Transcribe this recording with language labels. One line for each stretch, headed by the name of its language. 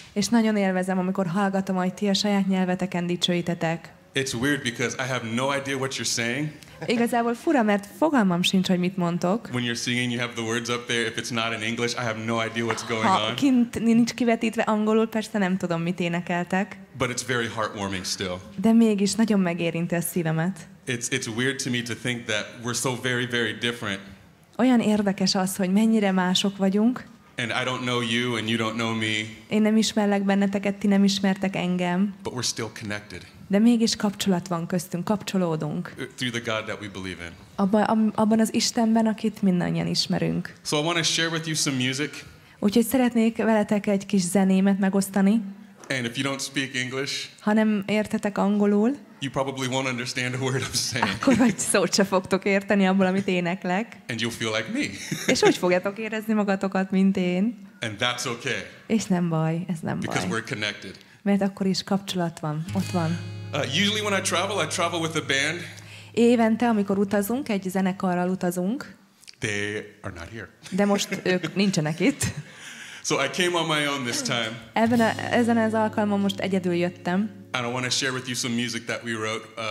Hungarian: És nagyon élvezem, amikor hallgatom, hogy ti a saját nyelveteken dicsőítetek.
English: It's weird because I have no idea what you're saying.
Hungarian: Igazából fura, mert fogalmam sincs, hogy mit mondtok.
English: When you're singing, you have the words up there. If it's not in English, I have no idea what's going on.
Hungarian: Ha kint nincs kivetítve angolul, persze nem tudom, mit énekeltek.
English: But it's very heartwarming still.
Hungarian: De mégis nagyon megérinti a szívemet.
English: It's weird to me to think that we're so very, very different.
Hungarian: Olyan érdekes az, hogy mennyire mások vagyunk.
English: And I don't know you and you don't know me.
Hungarian: Én nem ismerlek benneteket, ti nem ismertek engem.
English: But we're still connected.
Hungarian: De mégis kapcsolat van köztünk, kapcsolódunk.
English: Through the God that we believe in.
Hungarian: Abban az Istenben, akit mindannyian ismerünk.
English: So I want to share with you some music.
Hungarian: Úgyhogy szeretnék veletek egy kis zenémet megosztani.
English: And if you don't speak English,
Hungarian: ha nem értetek angolul,
English: you probably won't understand a word I'm saying.
Hungarian: Akkor vagy szót se fogtok érteni abból, amit éneklek.
English: And you'll feel like me.
Hungarian: És úgy fogjátok érezni magatokat, mint én.
English: And that's okay.
Hungarian: És nem baj, ez nem
English: Because
Hungarian: baj.
English: We're connected.
Hungarian: Mert akkor is kapcsolat van, ott van.
English: Usually when I travel with a band.
Hungarian: Évente, amikor utazunk, egy zenekarral utazunk.
English: They are not here.
Hungarian: De most ők nincsenek itt.
English: So I came on my own this time.
Hungarian: Ezen az alkalommal most egyedül jöttem.
English: And I want to share with you some music that we wrote.